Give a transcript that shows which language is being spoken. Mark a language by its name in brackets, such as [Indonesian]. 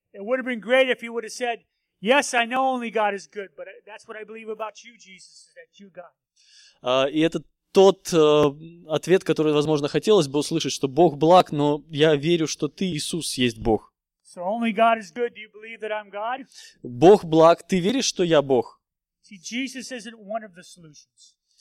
[English] It would have been great if he would have said, yes, I know only God is good, but that's what I believe about you, Jesus, is that you God. [Russian] И это тот ответ, который, возможно, хотелось бы услышать, что Бог благ, но я верю, что ты, Иисус, есть Бог. [English] So only God is good. Do you believe that I'm God? [Russian] Бог благ. Ты веришь, что я Бог? [English] See, Jesus isn't one of the solutions.